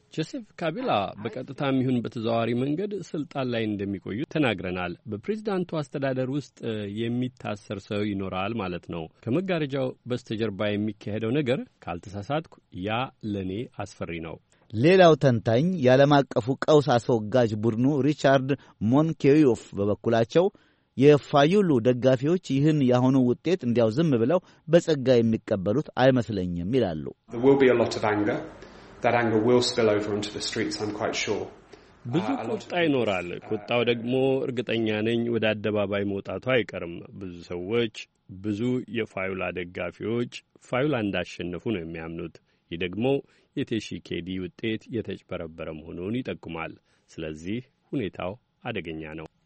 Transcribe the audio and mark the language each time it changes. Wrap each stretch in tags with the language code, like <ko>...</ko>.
<am>ጆሴፍ ካቢላ በቀጥታም ይሁን በተዘዋዋሪ መንገድ ስልጣን ላይ እንደሚቆዩ ተናግረናል። በፕሬዝዳንቱ አስተዳደር ውስጥ የሚታሰር ሰው ይኖራል ማለት ነው። ከመጋረጃው በስተጀርባ የሚካሄደው ነገር ካልተሳሳትኩ ያ ለኔ አስፈሪ ነው። ሌላው ተንታኝ የዓለም አቀፉ ቀውስ አስወጋጅ ቡድኑ ሪቻርድ ሞንኬዮፍ በበኩላቸው የፋዩሉ ደጋፊዎች ይህን ያሆኑ ውጤት እንዲያው ዝም ብለው በጸጋ የሚቀበሉት አይመስለኝም ይላሉ።</am> <en>There will be a lot of anger. That anger will spill over onto the streets, I'm quite sure.</en> <am>ብዙ ቁጣ ይኖራል። ቁጣው ደግሞ እርግጠኛ ነኝ ወደ አደባባይ መውጣቱ አይቀርም። ብዙ ሰዎች፣ ብዙ የፋዩላ ደጋፊዎች ፋዩላ እንዳሸነፉ ነው የሚያምኑት። ይህ ደግሞ የቴሺኬዲ ውጤት የተጭበረበረ መሆኑን ይጠቁማል። ስለዚህ ሁኔታው አደገኛ ነው።</am>